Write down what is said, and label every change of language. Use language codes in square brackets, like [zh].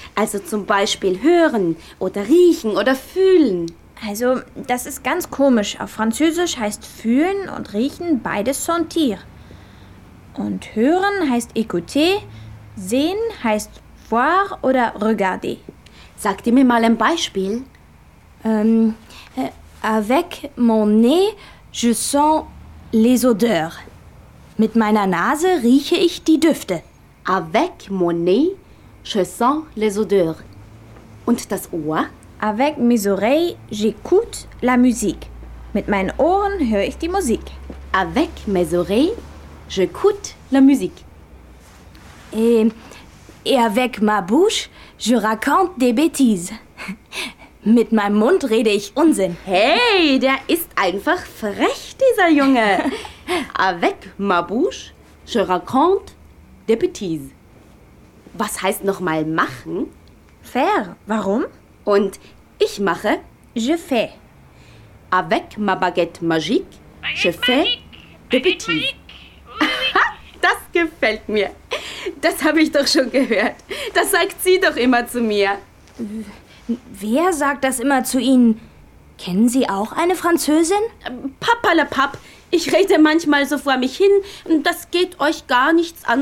[de] Also zum Beispiel hören oder riechen oder fühlen. Also, das ist ganz komisch. Auf Französisch heißt fühlen und riechen beides sentir. Und hören heißt écouter, sehen heißt voir oder regarder. Sag dir mir mal ein Beispiel. [fr] Avec mon nez, je sens les odeurs. [de] Mit meiner Nase rieche ich die Düfte. [fr] Avec mon nez, je sens les odeurs. [de] Und das Ohr? [fr] Avec mes oreilles, j'écoute la musique. [de] Mit meinen Ohren höre ich die Musik. [fr] Avec mes oreilles, j'écoute la musique. Et avec ma bouche, je raconte des bêtises. [de] Mit meinem Mund rede ich Unsinn. Hey, der ist einfach frech, dieser Junge. [fr] Avec ma bouche, je raconte des bêtises. [de] Was heißt nochmal machen? [fr] Faire. [de] Warum? Und ich mache? [fr] Je fais. Avec ma baguette magique, je fais des bêtises. [de] Das gefällt mir. Das habe ich doch schon gehört. Das sagt sie doch immer zu mir. Wer sagt das immer zu Ihnen? Kennen Sie auch eine Französin? Papalapap. Ich rede manchmal so vor mich hin. Das geht euch gar nichts an.